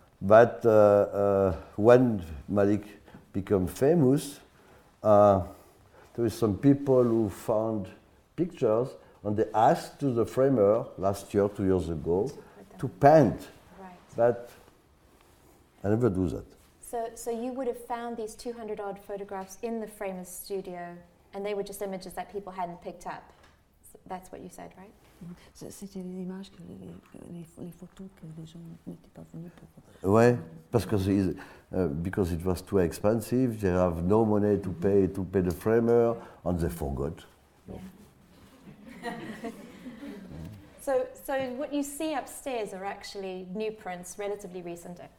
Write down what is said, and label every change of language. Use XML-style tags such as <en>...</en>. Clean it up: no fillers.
<en>But when Malik became famous, there were some people who found pictures and they asked to the framer last year, 2 years ago, to paint. Right. But I never do that. So you would have found these 200 odd photographs in the framer's studio, and they were just images that people hadn't picked up. So that's what you said, right?</en> <fr>C'était les images que les photos que les gens n'étaient pas venus pour. Ouais, parce que</fr> <en>because it was too expensive, they have no money to pay the framer, and they forgot. So what you see upstairs are actually new prints, relatively recent.</en>